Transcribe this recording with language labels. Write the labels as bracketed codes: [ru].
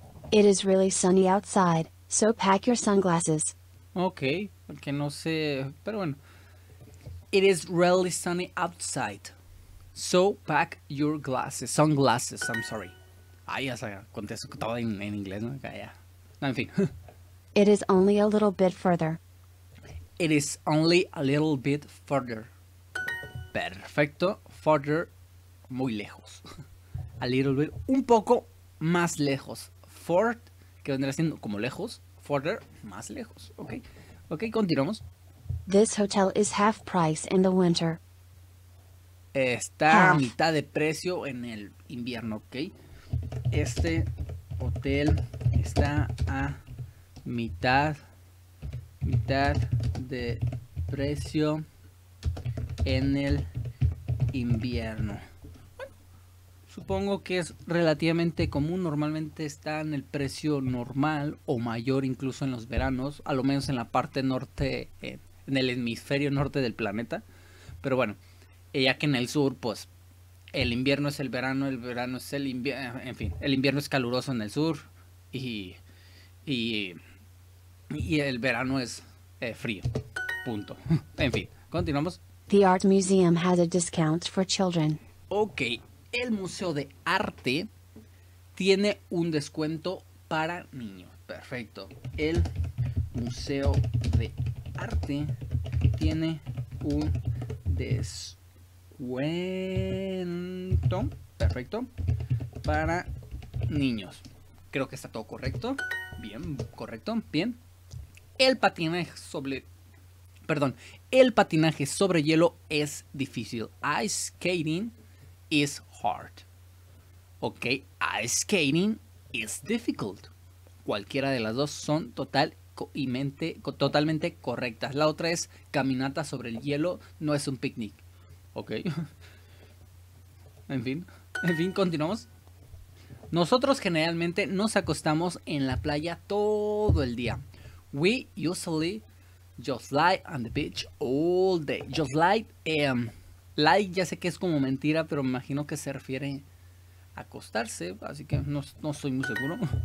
[en] It is really sunny outside, so pack your sunglasses. [es] Ok, porque no sé, pero bueno. [en] It is really sunny outside, so pack your glasses. Sunglasses, I'm sorry. [es] Ah, ya sabía, contesto todo en inglés, ¿no? Okay, yeah. No, en fin. [en] It is only a little bit further. It is only a little bit further. Perfecto. [es] Further, muy lejos. [en] A little bit, [es] un poco más lejos. Further, que vendrá siendo como lejos. Further, más lejos. Ok, ok, continuamos. [en] This hotel is half price in the winter. [es] Está a mitad de precio en el invierno, ¿ok? Este hotel está a mitad de precio en el invierno. Supongo que es relativamente común, normalmente está en el precio normal o mayor incluso en los veranos, a lo menos en la parte norte, en el hemisferio norte del planeta. Pero bueno, ya que en el sur, pues el invierno es el verano es el invierno, en fin, el invierno es caluroso en el sur y el verano es frío. Punto. En fin, continuamos. [en] The Art Museum has a discount for children. Ok. [es] El Museo de Arte tiene un descuento para niños. Perfecto. El Museo de Arte tiene un descuento. Perfecto. Para niños. Creo que está todo correcto. Bien, correcto. Bien. El patinaje sobre hielo es difícil. [en] Ice skating is hard. Ok, ice skating is difficult. [es] Cualquiera de las dos son totalmente correctas. La otra es caminata sobre el hielo, no es un picnic. Ok. En fin, continuamos. Nosotros generalmente nos acostamos en la playa todo el día. [en] We usually just lie on the beach all day. Just lie, like, [es] ya sé que es como mentira, pero me imagino que se refiere a acostarse, así que no estoy muy seguro.